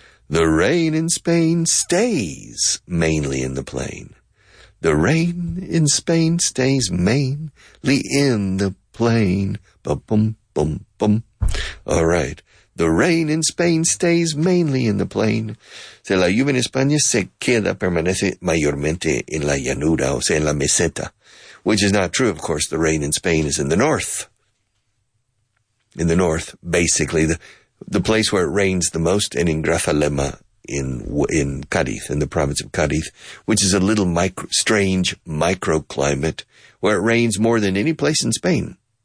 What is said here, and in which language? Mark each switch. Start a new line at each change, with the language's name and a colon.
English: The rain in Spain stays mainly in the plain. The rain in Spain stays mainly in the plain. Ba-bum, bum, bum. All right. The rain in Spain stays mainly in the plain.
Spanish: Se la lluvia en España se queda, permanece mayormente en la llanura, o sea, en la meseta.
English: Which is not true, of course. The rain in Spain is in the north. In the north, basically. The place where it rains the most, and in Grazalema, in Cádiz, in the province of Cádiz, which is a little strange microclimate where it rains more than any place in Spain.